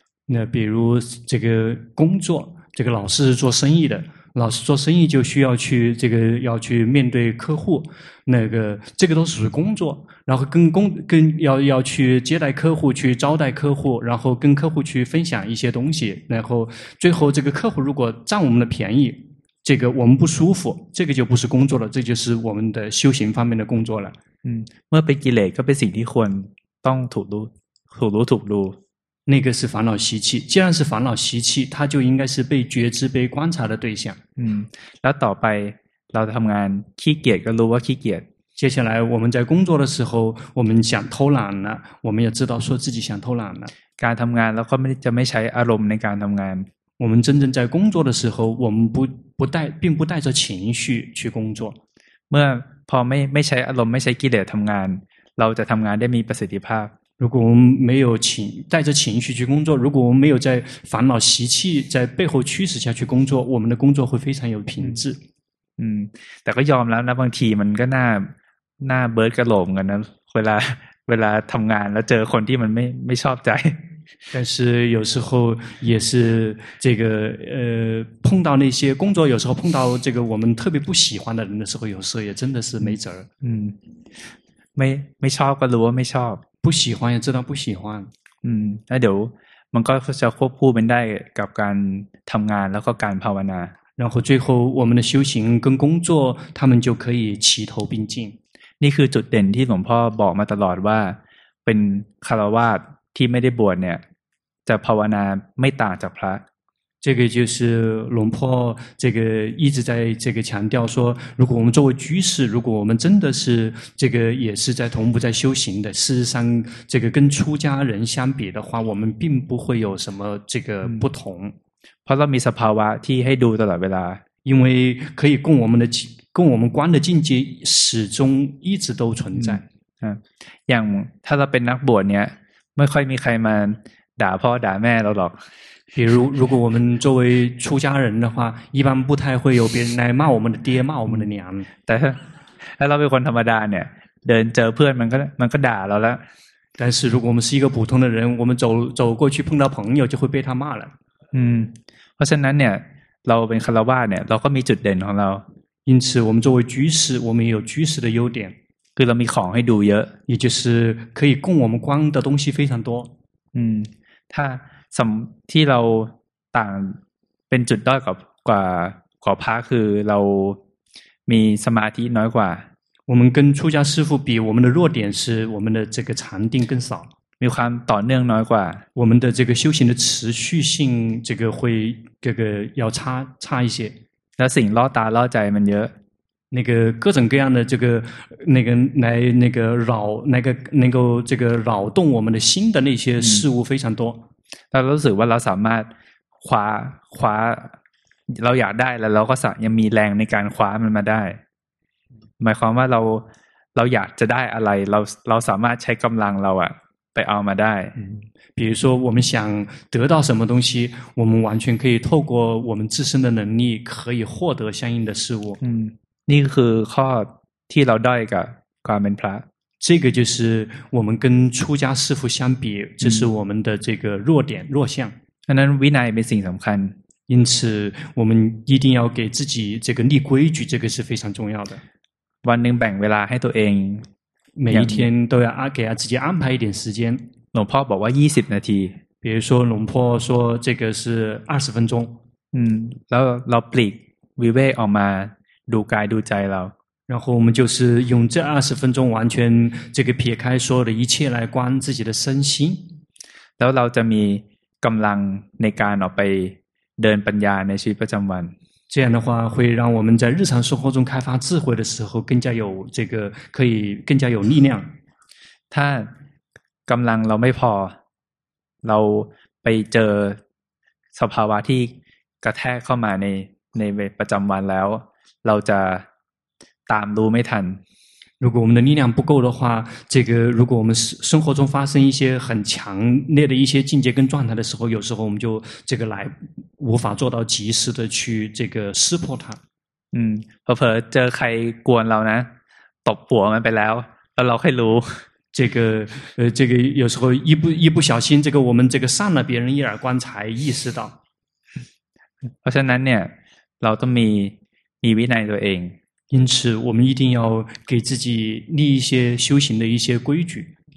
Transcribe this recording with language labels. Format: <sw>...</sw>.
<zh>เนี่ย比如这个工作这个老师是做生意的老师做生意就需要去这个要去面对客户那个这个都属于工作然后跟要去接待客户去招待客户然后跟客户去分享一些东西然后最后这个客户如果占我们的便宜这个我们不舒服这个就不是工作了这就是我们的修行方面的工作了</zh> <th>เมื่อเป็นกิเลสก็เป็นสิ่งที่ควรต้องถูรู</th> <zh>那个是烦恼习气既然是烦恼习气它就应该是被觉知被观察的对象</zh> <th>แล้วต่อไปเราทำงานขี้เกียจก็รู้ว่าขี้เกียจ</th> <zh>接下来我们在工作的时候我们想偷懒了我们也知道说自己想偷懒了</zh> <th>การทำงานแล้วก็ไม่จะไม่ใช้อารมณ์ในการทำงาน</th> <zh>我们真正在工作的时候我们不带并不带着情绪去工作</zh> <th>เมื่อเ พอไม่ใช้อารมณ์ไม่ใช้กิเลสทำงานเราจะทำงานได้มีประสิทธิภาพ</th> <zh>如果我们没有情带着情绪去工作，如果我们没有在烦恼习气在背后驱使下去工作，我们的工作会非常有品质。</zh> <th>嗯，แต่ก็ยอมแล้วนะบางทีมันก็หน้าเบิร์ดกระโหลกกันนะเวลาทำงานแล้วเจอคนที่มันไม่ชอบใจ</th> <zh>但是有时候也是这个碰到那些工作有时候碰到这个我们特别不喜欢的人的时候有时候也真的是没辙</zh> <th>嗯ไม่ชอบก็รู้ว่าไม่ชอบ</th> <zh>不喜欢也知道不喜欢</zh> <th>嗯แล้วเดี๋ยวมันก็จะควบคู่เป็นได้กับการทำงานแล้วก็การภาวนา</th> <zh>然后最后我们的修行跟工作他们就可以齐头并进</zh> <th>นี่คือจุดเด่นที่หลวงพ่อบอกมาตลอดว่าเป็นคฤหัสถ์ที่ไม่ได้บวชเนี่ยจะภาวนาไม่ต่างจากพระ</th> <zh>这个就是龙破这个一直在这个强调说如果我们作为居士如果我们真的是这个也是在同步在修行的事实上这个跟出家人相比的话我们并不会有什么这个不同</zh> <th>เพราะเรามีสภาวะที่ให้ดูตลอดเวลา</th> <zh>因为可以供我们的跟我们观的境界始终一直都存在。</zh> <th>อย่างถ้าเราเป็นนักบวชเนี่ยไม่ค่อยมีใครมาด่าพ่อด่าแม่เราหรอก</th> <zh>比如如果我们作为出家人的话一般不太会有别人来骂我们的爹骂我们的娘</zh> <th>แต่ถ้าเราเป็นคนธรรมดาเนี่ยเดินเจอเพื่อนมันก็ด่าเราแล้ว</th> <zh>但是如果我们是一个普通的人我们走过去碰到朋友就会被他骂了</zh> <th>เพราะฉะนั้นเนี่ยเราเป็นคฤหัสถ์เนี่ยเราก็มีจุดเด่นของเรา</th> <zh>因此我们作为居士我们也有居士的优点</zh> <th>คือเรามีของให้ดูเยอะ</th> <zh>也就是可以供我们观的东西非常多</zh> <th>ถ้าสำที่เราต่างเป็นจุดด้อยกว่าพระคือเรามีสมาธิน้อยกว่า</th> <zh>我们跟出家师父比我们的弱点是我们的这个禅定更少</zh> <th>มีความต่อเนื่องน้อยกว่า</th> <zh>我们的这个修行的持续性这个会这个要差一些</zh> <th>แล้วสิ่งล่อตาล่อใจมันเยอะ</th> <zh>那个各种各样的这个那个来那个扰那个能够这个扰动我们的心的那些事物非常多</zh> <th>แล้วรู้สึกว่าเราสามารถคว้าเราอยากได้แล้วเราก็สามารถยังมีแรงในการคว้ามันมาได้หมายความว่าเราอยากจะได้อะไรเราสามารถใช้กำลังเราอะไปเอามาได้</th> <zh>比如说我们想得到什么东西我们完全可以透过我们自身的能力可以获得相应的事物</zh> <th>นี่คือข้อที่เราได้กับความเป็นพระ</th> <zh>这个就是我们跟出家师父相比这是我们的这个弱点弱项</zh> <th>ฉะนั้นวินัยเป็นสิ่งสำคัญ</th> <zh>因此我们一定要给自己这个立规矩这个是非常重要的</zh> <th>วันหนึ่งแบ่งเวลาให้ตัวเอง</th> <zh>每一天都要给自己安排一点时间</zh> <th>หลวงพ่อบอกว่า20นาที</th> <zh>比如说หลวงพ่อ说这个是20分钟</zh> <th>แล้วเราปลีกวิเวกออกมาดูกายดูใจเรา</th> <zh>然后我们就是用这20分钟完全这个撇开所有的一切来观自己的身心</zh> <th>แล้วเราจะมีกำลังในการออกไปเดินปัญญาในชีวิตประจำวัน</th> <zh>这样的话会让我们在日常生活中开发智慧的时候更加有这个可以更加有力量</zh> <th>ถ้ากำลังเราไม่พอเราไปเจอสภาวะที่กระแทกเข้ามาในประจำวันแล้วเราจะตามรู้ไม่ทัน</th> <zh>如果我们的力量不够的话这个如果我们生活中发生一些很强烈的一些境界跟状态的时候有时候我们就这个来无法做到及时的去这个识破它</zh> <th>เผลอๆเจอใครกวนเรานะตบหัวมันไปแล้วแล้วเราให้รู้</th> <zh>这个有时候一不小心这个我们这个上了别人一耳光才意识到</zh> <th>เพราะฉะนั้นเนี่ยเราต้องมีวินัยตัวเอง</th> <zh>因此我们一定要给自己立一些修行的一些规矩</zh>